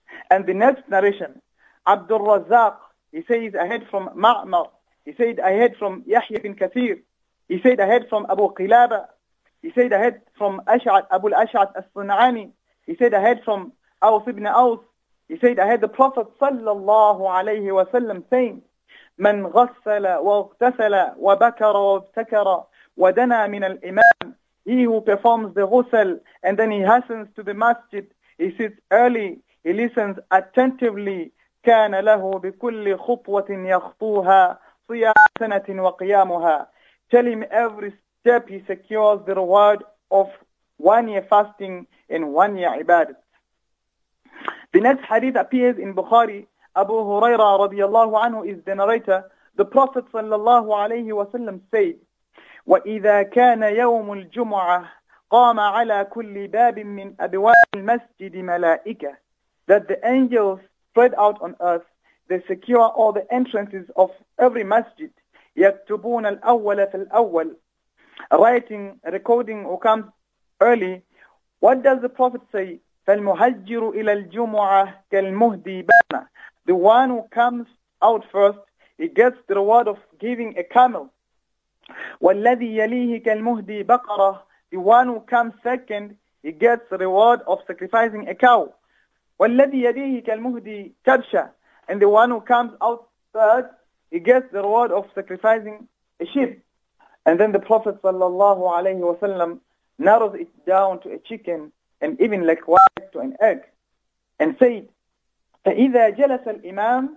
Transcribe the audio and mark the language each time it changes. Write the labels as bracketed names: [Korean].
[English] And the next narration, Abdul Razzaq, he says ahead from Ma'mar, he said ahead from Yahya bin Kathir, he said ahead from Abu Qilaba, he said ahead from Ash'ad, Abu al-Ash'ad al-Sun'ani, he said ahead from Aws ibn Aws, he said ahead the Prophet sallallahu alayhi wa sallam saying, [Arabic] من غسل واغتسل وبكر وابتكر ودنا من الإمام. [English] He who performs the ghusl and then he hastens to the masjid, he sits early, he listens attentively. [Arabic] كان له بكل خطوة يخطوها صيام سنة وقيامها. [English] Tell him every step he secures the reward of 1 year fasting and 1 year ibadat. The next hadith appears in Bukhari. Abu Huraira radiallahu anhu is the narrator. The Prophet sallallahu alayhi wa sallam said, [Arabic] وَإِذَا كَانَ يَوْمُ الْجُمُعَةِ قَامَ عَلَى كُلِّ بَابٍ مِّنْ أَبْوَابِ الْمَسْجِدِ مَلَائِكَةٍ. [English] That the angels spread out on earth, they secure all the entrances of every masjid. [Arabic] يَكْتُبُونَ الْأَوَّلَ فِي الْأَوَّلِ. [English] Writing, recording who comes early. What does the Prophet say? [Arabic] فَالْمُهَجِّرُ إِلَى الْجُمُعَةِ كَالْمُهْدِي بَانَ. [English] The one who comes out first, he gets the reward of giving a camel. [Arabic] والذي يليه كالمهدي بقرة. [English] The one who comes second, he gets the reward of sacrificing a cow. [Arabic] والذي يليه كالمهدي كبشة. [English] And the one who comes out third, he gets the reward of sacrificing a sheep. And then the Prophet صلى الله عليه وسلم narrows it down to a chicken and even likewise to an egg, and said, [Arabic] فإذا جلس الإمام.